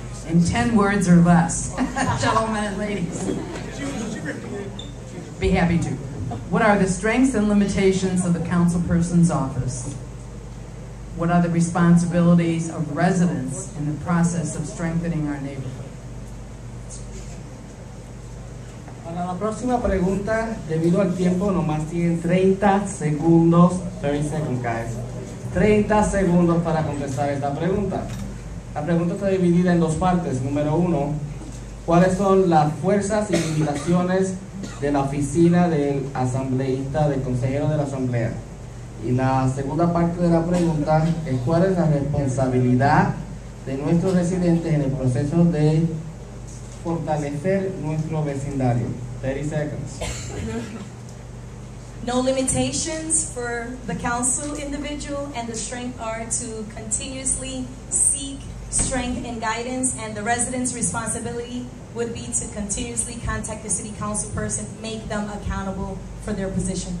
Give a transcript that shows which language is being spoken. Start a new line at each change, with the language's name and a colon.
English: In 10 words or less, gentlemen and ladies. Be happy to. What are the strengths and limitations of the councilperson's office? What are the responsibilities of residents in the process of strengthening our neighborhood?
Spanish: Para la próxima pregunta, debido al tiempo, nomás tienen 30 segundos.
English: 30 seconds, guys.
Spanish: 30 segundos para contestar esta pregunta. La pregunta está dividida en dos partes. Número uno, ¿cuáles son las fuerzas y limitaciones de la oficina del asambleísta, del consejero de la asamblea? Y la segunda parte de la pregunta es, ¿cuál es la responsabilidad de nuestros residentes en el proceso de fortalecer nuestro vecindario?
English: 30 seconds. No limitations for the council individual, and the strength are to continuously seek strength and guidance, and the residents' responsibility would be to continuously contact the city council person, make them accountable for their position.